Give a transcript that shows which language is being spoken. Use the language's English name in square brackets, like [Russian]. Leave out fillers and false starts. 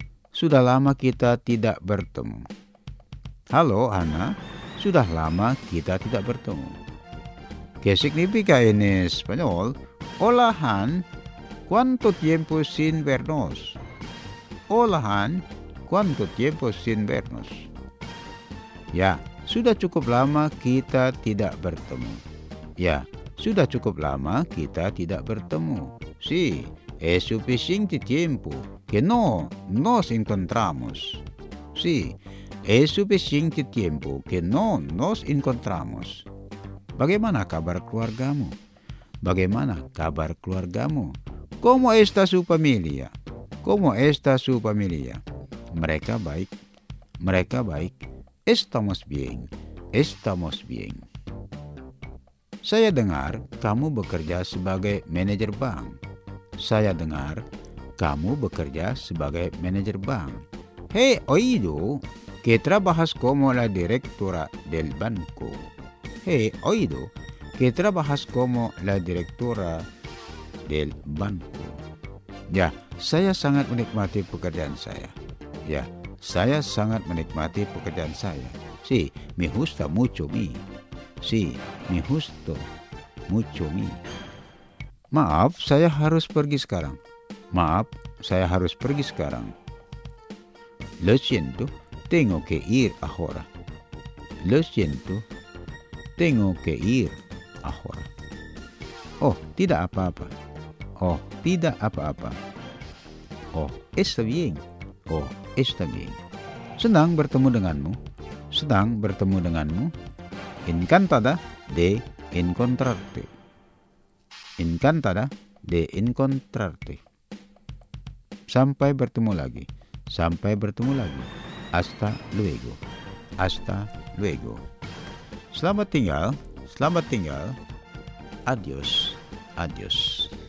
[Indonesian] Sudah lama kita tidak bertemu. Halo, Hana. Sudah lama kita tidak bertemu. [Spanish] ¿Qué significa en español? Hola, Han. ¿Cuánto tiempo sin vernos? Hola, Han. ¿Cuánto tiempo sin vernos? [Indonesian] Ya, sudah cukup lama kita tidak bertemu. Ya, sudah cukup lama kita tidak bertemu. [Spanish] Sí, es suficiente tiempo que no nos encontramos. Sí, es suficiente tiempo que no nos encontramos. [Indonesian] Bagaimana kabar keluargamu? Bagaimana kabar keluargamu? [Spanish] ¿Cómo está su familia? ¿Cómo está su familia? [Indonesian] Mereka baik. Mereka baik. [Spanish] Estamos bien. Estamos bien. [Indonesian] Saya dengar kamu bekerja sebagai manajer bank. Saya dengar kamu bekerja sebagai manajer bank. [Spanish] He oído que trabajas como la directora del banco. He oído que trabajas como la directora del banco. [Indonesian] Ya, saya sangat menikmati pekerjaan saya. Ya, saya sangat menikmati pekerjaan saya. [Spanish] Sí, me gusta mucho mi. Sí, me gusta mucho mi. [Indonesian] Maaf, saya harus pergi sekarang. Maaf, saya harus pergi sekarang. [Spanish] Lo siento, tengo que ir ahora. Lo siento, tengo que ir ahora. [Indonesian] Oh, tidak apa-apa. Oh, tidak apa-apa. [Spanish] Oh, está bien. Oh, está bien. [Indonesian] Senang bertemu denganmu. Senang bertemu denganmu. [Spanish] Encantada de encontrarte. Encantada de encontrarte. [Indonesian] Sampai bertemu lagi. Sampai bertemu lagi. [Spanish] Hasta luego. Hasta luego. [Indonesian] Selamat tinggal. Selamat tinggal. [Spanish] Adios. Adios.